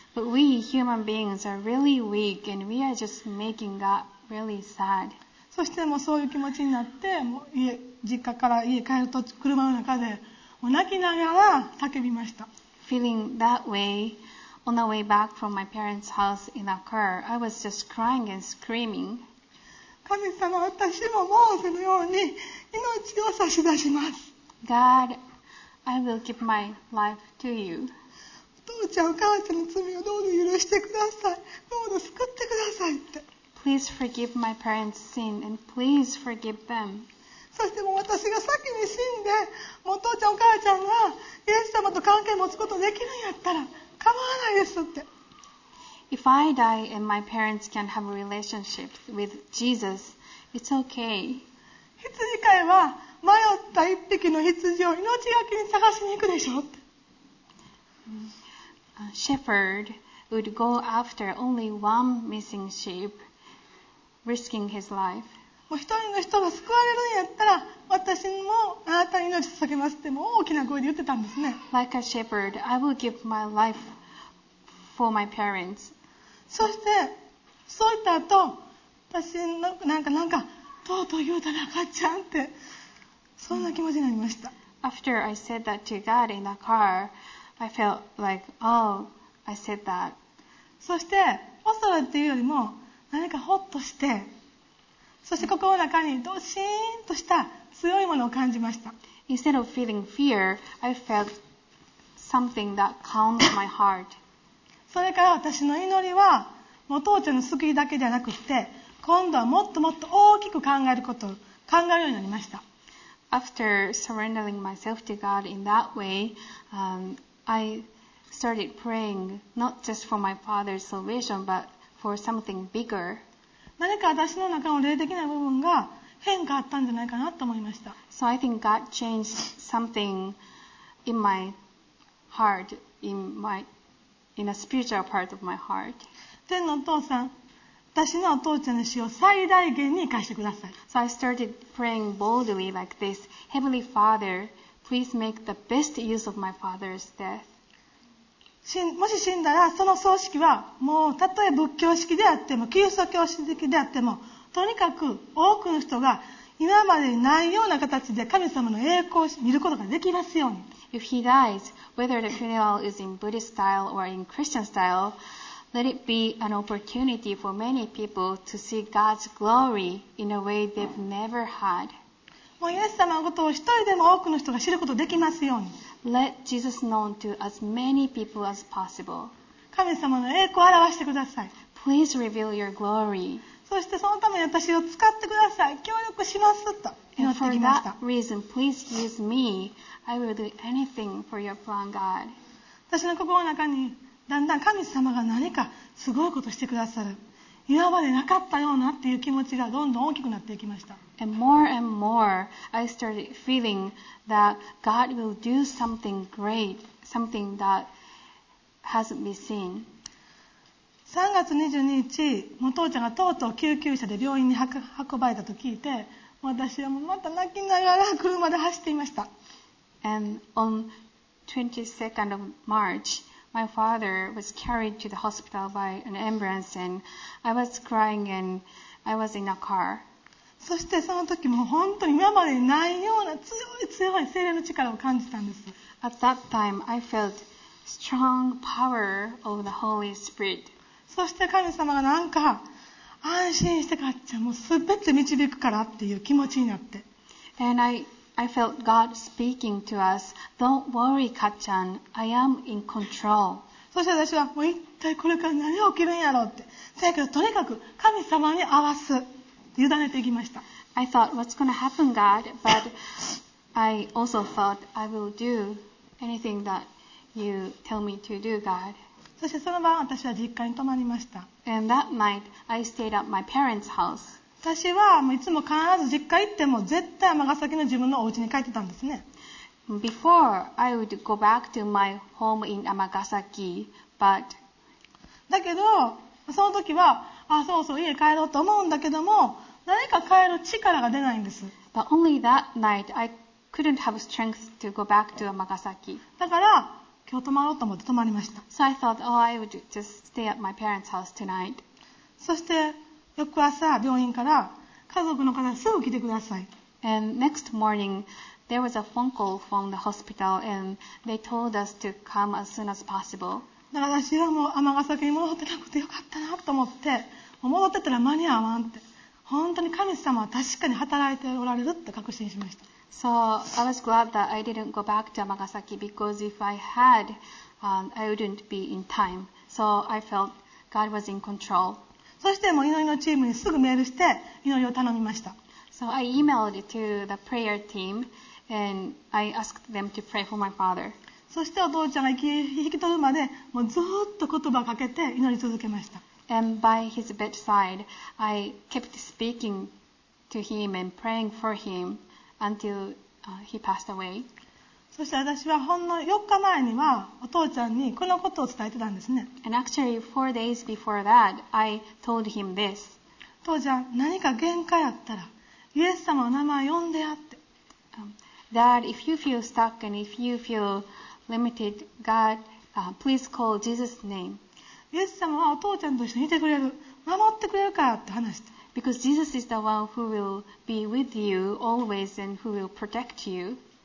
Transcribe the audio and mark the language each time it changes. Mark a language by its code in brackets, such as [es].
[en] But we human beings are really weak, and we are just making God really sad. [ja] そしてもうそういう気持ちになって、もう家、実家から家帰ると車の中で、もう泣きながら叫びました。 [en] Feeling that way on the way back from my parents' house in a car, I was just crying and screaming. [ja] 神様、私もモーセのように命を差し出します。 [en] God, I will give my life to you. [ja] お父ちゃん、お母ちゃんの罪をどうぞ許してください。どうぞ救ってくださいって。 [en] Please forgive my parents' sin and please forgive them. [ja] そしても私が先に死んで、もうお父ちゃんお母ちゃんがイエス様と関係持つことできるんやったら、構わないですって。 [en] If I die and my parents can have a relationship with Jesus, it's okay. [ja] 羊飼いは迷った一匹の羊を命がけに探しに行くでしょって。 [en] Shepherd would go after only one missing sheep, risking his life. [ja] もう一人の人が救われるんやったら、私もあなたに命を捧げますって、もう大きな声で言ってたんですね。 [en] Like a shepherd, I will give my life for my parents. [ja] そして、そういった後、私のなんか、とうとう言うたら赤ちゃんって、そんな気持ちになりました。 [en] After I said that to God in the car, I felt like, oh, I said that. [ja] そして、おそらっていうよりも、何かほっとして、そして心の中にドシーンとした強いものを感じました。 [en] Instead of feeling fear, I felt something that calmed my heart. [ja] それから私の祈りは、もう父ちゃんの救いだけではなくて、今度はもっともっと大きく考えること、考えるようになりました。 [en] After surrendering myself to God in that way, I started praying not just for my father's salvation, but for something bigger. [ja] 何か私の中の霊的な部分が変化あったんじゃないかなと思いました。 [en] So I think God changed something in my heart, in a spiritual part of my heart. [ja] 天のお父さん、私のお父ちゃんの死を最大限に生かしてください。 [en] So I started praying boldly like this. Heavenly Father, please make the best use of my father's death. [ja] もし死んだら、その葬式は、もう、たとえ仏教式であっても、キリスト教式であっても、とにかく多くの人が、今までにないような形で神様の栄光を見ることができますように。 [en] If he dies, whether the funeral is in Buddhist style or in Christian style, let it be an opportunity for many people to see God's glory in a way they've never had. [ja] もうイエス様のことを一人でも多くの人が知ることができますように。 [en] Let Jesus known to as many people as possible. [ja] 神様の栄光を表してください。 [en] Please reveal your glory. [ja] そしてそのために私を使ってください。協力しますと祈ってきました。 [en] And for that reason, please use me. I will do anything for your plan, God. [ja] 私の心の中にだんだん神様が何かすごいことをしてくださる。今までなかったようなっていう気持ちがどんどん大きくなっていきました。 [en] And more and more, I started feeling that God will do something great, something that hasn't been seen. [ja] 3月22日、お父ちゃんがとうとう救急車で病院に運ばれたと聞いて、私はもうまた泣きながら車で走っていました。 [en] And on 22nd of March,My father was carried to the hospital by an ambulance and I was crying and I was in a car. [ja] そしてその時も本当に今までにないような強い精霊の力を感じたんです。 [en] At that time, I felt strong power of the Holy Spirit. [ja] そして神様がなんか安心してかっちゃん、もうすべて導くからっていう気持ちになって。 [en] And I felt God speaking to us, don't worry, Kachan, I am in control. [ja] そして私はもう一体これから何起きるんやろうって。せやけどとにかく神様に合わす。委ねていきました。 [en] I thought, what's going to happen, God? But I also thought, I will do anything that you tell me to do, God. [ja] そしてその晩私は実家に泊まりました。 [en] And that night, I stayed at my parents' house. [ja] 私はいつも必ず実家行っても絶対尼崎の自分のお家に帰ってたんですね。 [en] Before, I would go back to my home in Amagasaki, but... [ja] だけど、その時は、あ、そうそう、家帰ろうと思うんだけども、何か帰る力が出ないんです。 [en] But only that night, I couldn't have strength to go back to Amagasaki. [ja] だから、今日泊まろうと思って泊まりました。 [en] So I thought, oh, I would just stay at my parents' house tonight. [ja] そして、翌朝病院から家族の方すぐ来てください。 [en] And next morning, there was a phone call from the hospital, and they told us to come as soon as possible. [ja] だから私はもう尼崎に戻ってなくてよかったなと思って、もう戻ってたら間に合わんって、本当に神様は確かに働いておられるって確信しました。 [en] So I was glad that I didn't go back to 尼崎 because if I had, I wouldn't be in time. So I felt God was in control. [ja] そしてもう祈りのチームにすぐメールして祈りを頼みました。 [en] So I emailed to the prayer team and I asked them to pray for my father. [ja] そしてお父ちゃんが引き取るまでもうずっと言葉をかけて祈り続けました。 [en] And by his bedside, I kept speaking to him and praying for him until he passed away. [ja] そして私はほんの4日前にはお父ちゃんにこのことを伝えてたんですね。 [en] And actually, 4 days before that, I told him this. [ja] 父ちゃん、何か限界あったら、イエス様の名前呼んでやって。 [en] Dad, if you feel stuck and if you feel limited, God, please call Jesus' name. [ja] イエス様はお父ちゃんと一緒にいてくれる、守ってくれるからって話して。 [en] Because Jesus is the one who will be with you always and who will protect you.